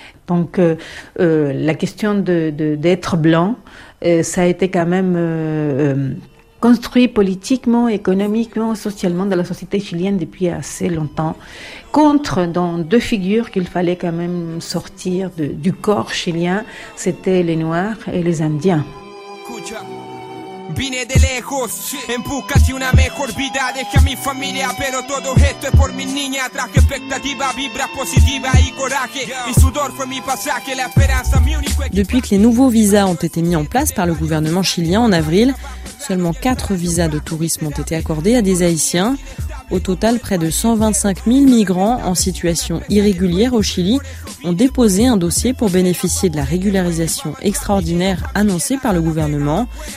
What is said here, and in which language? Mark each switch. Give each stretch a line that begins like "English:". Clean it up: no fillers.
French: Donc la question d'être blanc, ça a été quand même construit politiquement, économiquement, socialement dans la société chilienne depuis assez longtemps, contre dans deux figures qu'il fallait quand même sortir du corps chilien, c'était les Noirs et les Indiens.
Spanish: Cucha. Vine de lejos, en busca de una mejor vida. Dejé a mi familia, pero todo esto es por mi niña. Traje expectativa, vibra positiva y coraje. Mi sudor fue mi pasaje, la esperanza mi único.
French: Depuis que les nouveaux visas ont été mis en place par le gouvernement chilien en avril, seulement 4 visas de tourisme ont été accordés à des Haïtiens. Au total, près de 125 000 migrants en situation irrégulière au Chili ont déposé un dossier pour bénéficier de la régularisation extraordinaire annoncée par le gouvernement.